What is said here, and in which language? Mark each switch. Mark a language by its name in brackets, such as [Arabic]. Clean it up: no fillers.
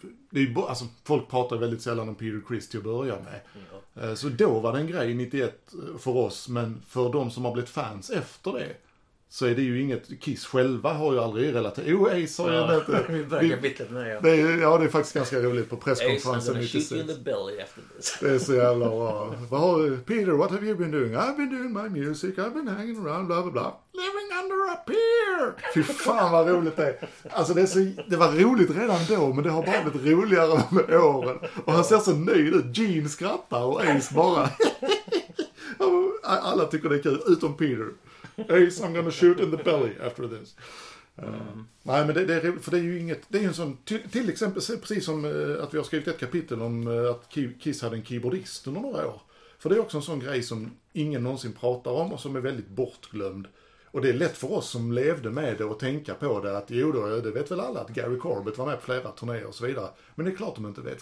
[Swedish] Det är ju alltså, folk pratar väldigt sällan om Peter Criss till att börja med. Ja. Så då var det en grej 91 för oss. Men för de som har blivit fans efter det så är det ju inget... Kiss själva har ju aldrig relaterat. Jo, Ace har ju inte... Ja, det är faktiskt ganska roligt på presskonferensen. [English] Ace, I'm gonna shoot you in the belly after [Swedish] this. Det är så jävla bra. Vad har, [English] Peter, what have you been doing? I've been doing my music, I've been hanging around, bla bla bla. Living under a pier! [Swedish] Fy fan, vad roligt det är. Alltså, det, är så, det var roligt redan då, men det har bara blivit roligare med åren. Och han ser så nöjd ut. Gene skrattar och Ace bara... Alla tycker det är kul, utom Peter. [English] Ace, I'm gonna shoot in the belly after this. [Swedish] Nej, men det är, för det är ju inget, det är en sån, till exempel, precis som att vi har skrivit ett kapitel om att Kiss hade en keyboardist under några år. För det är också en sån grej som ingen någonsin pratar om och som är väldigt bortglömd. Och det är lätt för oss som levde med det och tänka på det att, jo då, det vet väl alla att Gary Corbett var med på flera turnéer och så vidare. Men det är klart de inte vet.